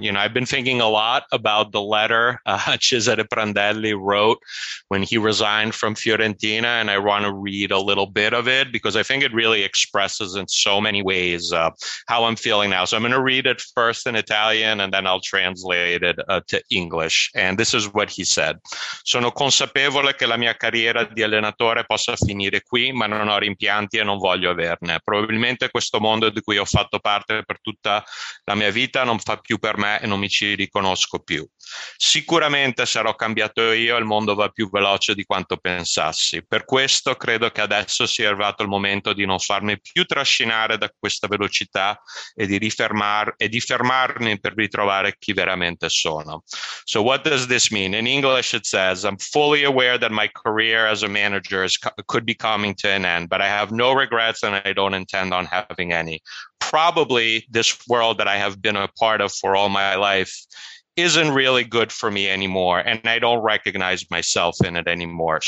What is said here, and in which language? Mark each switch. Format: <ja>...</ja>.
<en>You know, I've been thinking a lot about the letter Cesare Prandelli wrote when he resigned from Fiorentina, and I want to read a little bit of it because I think it really expresses in so many ways how I'm feeling now. So I'm going to read it first in Italian and then I'll translate it to English. And this is what he said.</en> <it>Sono consapevole che la mia carriera di allenatore possa finire qui, ma non ho rimpianti e non voglio averne. Probabilmente questo mondo di cui ho fatto parte per tutta la mia vita non fa più per me e non mi ci riconosco più. Sicuramente sarò cambiato io, il mondo va più veloce di quanto pensassi. Per questo credo che adesso sia arrivato il momento di non farmi più trascinare da questa velocità e di fermarmi per ritrovare chi veramente sono.</it> <en>So what does this mean? In English it says, I'm fully aware that my career as a manager could be coming to an end, but I have no regrets and I don't intend on having any. Probably this world that I have been a part of for all my life isn't really good for me anymore, and I don't recognize myself in it anymore.</en>